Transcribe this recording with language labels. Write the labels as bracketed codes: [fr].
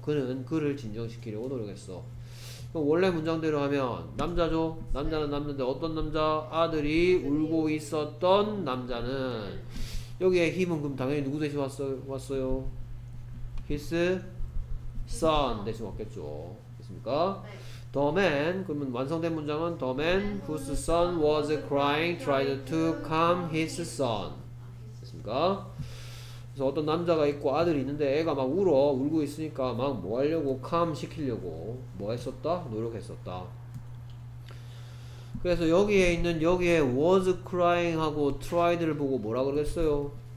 [ko] 그는 그를 진정시키려고 노력했어. 그럼 원래 문장대로 하면 남자죠? 남자는 남자인데 어떤 남자? 아들이 울고 있었던 남자는 여기에 힘은 그럼 당연히 누구 대신 왔어요? [en] His son [ko] 대신 왔겠죠. 됐습니까? [en] The man [ko] 그러면 완성된 문장은 [en] The man whose son was crying tried to calm his son. [ko] 됐습니까? 그래서 어떤 남자가 있고 아들이 있는데 애가 막 울어 울고 있으니까 막 뭐 하려고 calm 시키려고 뭐 했었다? 노력했었다. 그래서 여기에 있는 여기에 [en] was crying [ko] 하고 tried를 보고 뭐라 그러겠어요?